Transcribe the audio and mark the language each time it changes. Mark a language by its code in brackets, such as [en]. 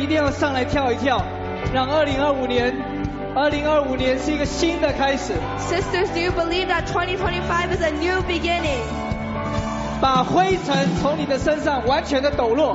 [zh] 上来跳一跳，让2025年是一个新的开始。 [en] Sisters, do you believe that 2025 is a new beginning? [zh] 把灰尘从你的身上完全的抖落。